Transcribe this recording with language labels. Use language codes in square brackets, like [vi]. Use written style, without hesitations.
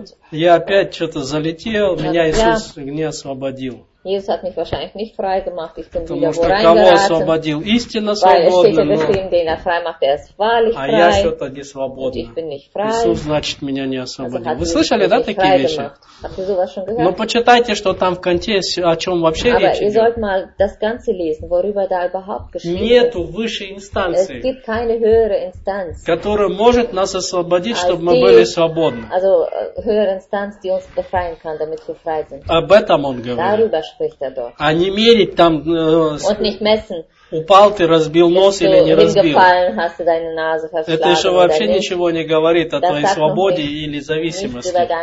[ru] Я опять что-то залетел, меня Иисус не освободил. [de] Jesus hat mich wahrscheinlich nicht frei gemacht. Ich bin [ru] потому [de] wieder wo reingeraten. [ru] Освободил? Истинно свободен. [de] Weil es steht ja geschrieben, den er frei macht, der ist wahrlich frei. [ru] А я что-то не свободен. [de] Ich bin nicht frei. [ru] Иисус, значит, меня не освободил. Also, вы слышали, да, такие вещи? [de] Habt ihr sowas schon gehört? [ru] Но почитайте, что там в контексте, о чем вообще [de] aber [ru] речь [de] ihr [ru] идет. [de] Sollt mal das Ganze lesen, worüber da überhaupt geschrieben [ru] нету высшей инстанции. [de] Es gibt keine höhere Instanz. [ru] Которая может нас освободить, чтобы мы были свободны. [de] Also, höhere Instanz, die uns befreien kann, damit wir frei sind. [ru] Об этом он говорит. [de] Darüber spricht er dort. [ru] А не мерить там [de] und nicht messen, [ru] упал ты, разбил нос или не разбил. Это еще вообще ничего не говорит о твоей свободе или зависимости.